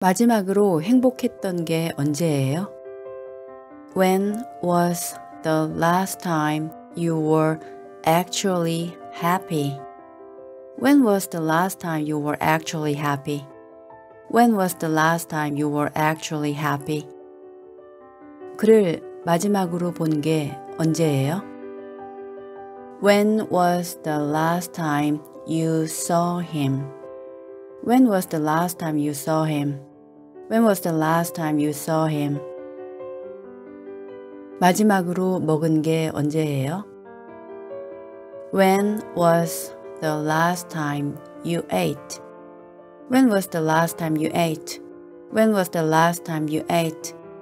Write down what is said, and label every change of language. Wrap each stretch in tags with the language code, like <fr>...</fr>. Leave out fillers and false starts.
<ko>마지막으로 행복했던 게 언제예요?</ko> <en>When was the last time you were actually happy? When was the last time you were actually happy? When was the last time you were actually happy?</en> <ko>그를 마지막으로 본 게 언제예요?</ko> <en>When was the last time you saw him? When was the last time you saw him? When was the last time you saw him?</en> <ko>마지막으로 먹은 게 언제예요?</ko> <en>When was the last time you ate? When was the last time you ate? When was the last time you ate?</en>